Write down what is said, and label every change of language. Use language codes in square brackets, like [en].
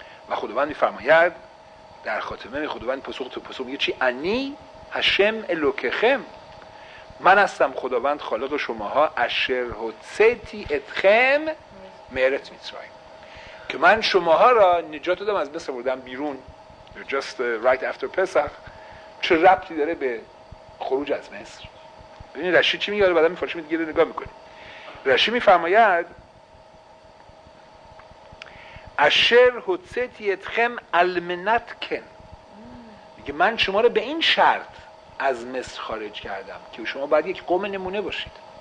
[fa] و خداوند میفرماید در خاتمه خداوند پسوخ تو پسوخ میگه چی؟ [he] انی هشم الوکخم، [fa] من هستم خداوند خالق شماها [he] اشر هوتسیتی اتخم میرت میتراییم، [fa] که من شماها را نجات دادم از مصر بردم بیرون. [en] You're just right after Pesach. [fa] چه ربطی داره به خروج از مصر؟ ببینید رشی چی میگه، بعدا میفرشی میگه دیگه نگاه میکنی. رشی میفرماید [he] اشر هوتسیتی اتخم المنت کن، [fa] میگه من شما را به این شرط از مصر خارج کردم که شما باید یک قوم نمونه باشید.